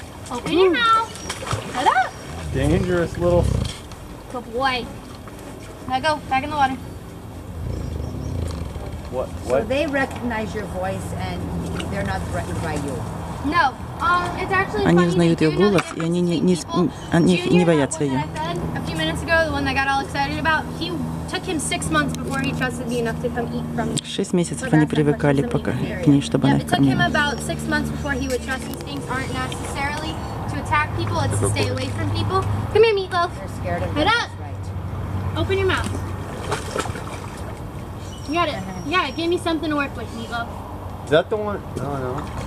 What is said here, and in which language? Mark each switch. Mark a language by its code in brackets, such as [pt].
[en] Open your mouth. Head up. Dangerous little. Good boy. Now go, back in the water. What? So they recognize your voice and they're not threatened by you? No. It's actually funny. [ru] Они узнают ее голос, и они не боятся ее. [en] A few minutes ago, the one that got all excited about, he took him 6 months before he trusted me enough to come eat from me. 6 months [ru] они привыкали пока к ней, чтобы она их кормила. [en] Yeah, it took him about 6 months before he would trust these things aren't necessarily to attack people, it's to stay away from people. Come here, Meatloaf. You're scared of me. Head up. Open your mouth. You got it. Yeah, give me something to work with, Meatloaf. Is that the one? No, no.